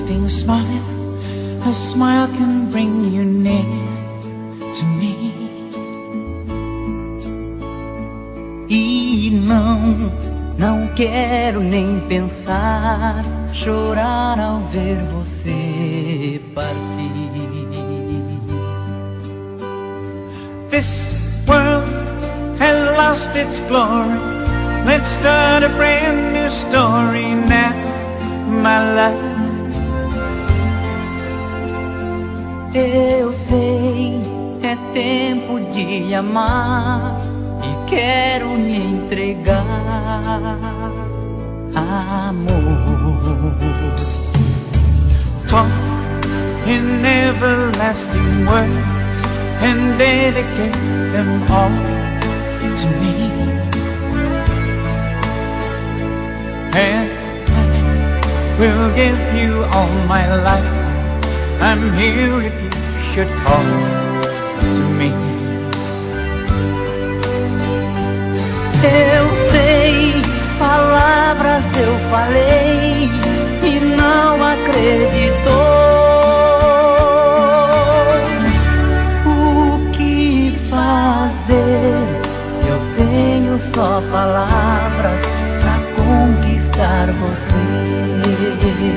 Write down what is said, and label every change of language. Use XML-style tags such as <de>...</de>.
<en>A smile can bring you near to me.</en> <pt>E não quero nem pensar, chorar ao ver você partir.</pt> <en>This world has lost its glory. Let's start a brand new story now, my love.</en> <pt>Eu sei, é tempo de amar e quero me entregar, amor.</pt> <en>Talk in everlasting words and dedicate them all to me. And I will give you all my life. I'm here if you should talk to me.</en> <pt>Eu sei, palavras eu falei e não acreditou. O que fazer se eu tenho só palavras pra conquistar você?</pt>